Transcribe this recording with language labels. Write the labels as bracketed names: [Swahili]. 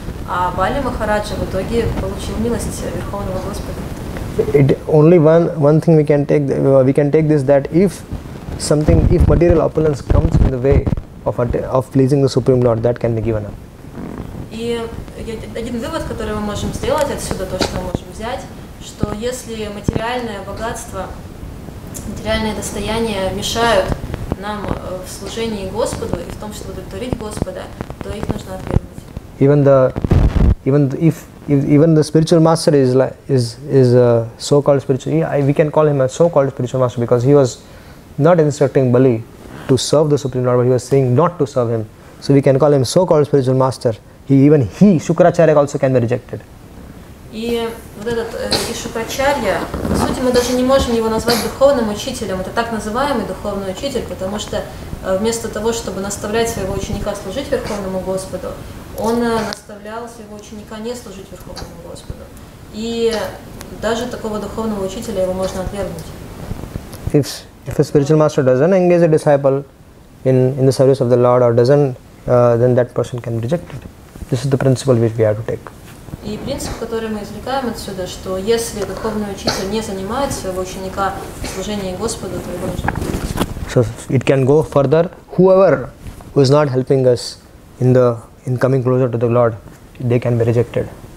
[Russian] А Бали Махараджа в итоге получил милость Верховного Господа. [English] It only one thing we can take this, that if material opulence comes in the way of pleasing the Supreme Lord, that can be given up. [Russian] И один вывод, который мы можем сделать отсюда, то что мы можем взять, что если материальное богатство, материальное достояние мешают нам в служении Господу и в том, чтобы удовлетворить Господа, то их нужно отвергнуть. [English] Even the spiritual master is a so-called spiritual master, because he was not instructing Bali to serve the Supreme Lord, but he was saying not to serve him. So we can call him so-called spiritual master. He Shukracharya also can be rejected. [Russian] И вот этот Шукрачарья, по сути, мы даже не можем его назвать духовным учителем. Это так называемый духовный учитель, потому что вместо того, чтобы наставлять своего ученика служить Верховному Господу, он наставлял своего ученика не служить Верховному Господу. И даже такого духовного учителя его можно отвергнуть. [English] If a spiritual master doesn't engage a disciple in the service of the Lord or doesn't, then that person can be rejected. This is the principle which we have to take. [Russian] И принцип, который мы извлекаем отсюда, что если духовный учитель не занимает своего ученика в служении Господу, то его нужно. [English] So it can go further. Whoever who is not helping us in coming closer to the Lord, they can be rejected.